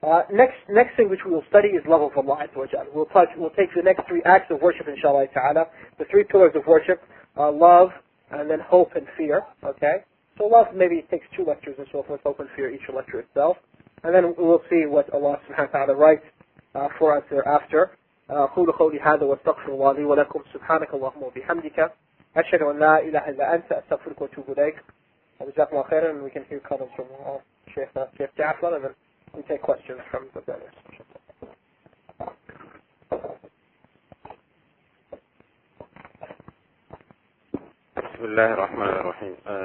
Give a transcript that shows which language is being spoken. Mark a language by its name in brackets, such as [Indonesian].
[English] Next thing which we will study is love of Allah Azza wa Jalla. We'll take the next three acts of worship, inshallah ta'ala, the three pillars of worship, love, and then hope and fear, okay? So love maybe takes two lectures and so forth, hope and fear, each lecture itself. And then we'll see what Allah subhanahu wa ta'ala writes for us thereafter. [Arabic] قُولُ قَوْلِ هَذَا وَاسْتَغْفِرُ اللَّهِ وَلَكُمْ سُبْحَانَكَ اللَّهُمَّ وَبِحَمْدِكَ أشهد أن لا إله إلا أنت أستغفرك وأتوب إليك. جزاكم الله خيرا. [English] And we can hear comments from Sheikh Ja'far, and then we take questions from the brothers. [Arabic] بسم الله الرحمن الرحيم.